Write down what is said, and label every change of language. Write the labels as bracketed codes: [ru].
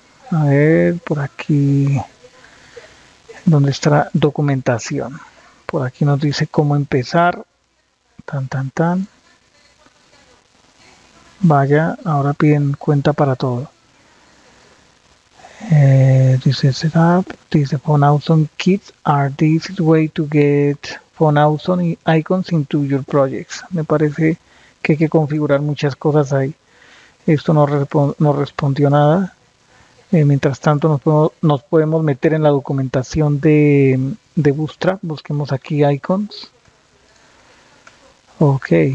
[es] A ver, por aquí, ¿dónde está documentación? Por aquí nos dice cómo empezar. Tan, tan, tan. Vaya, ahora piden cuenta para todo. Dice Setup, dice [en] Phone Awesome Kits are the easiest way to get Phone Awesome y icons into your projects. [es] Me parece que hay que configurar muchas cosas ahí. Esto no respondió nada. Mientras tanto, nos podemos meter en la documentación de Bootstrap. Busquemos aquí icons. Ok.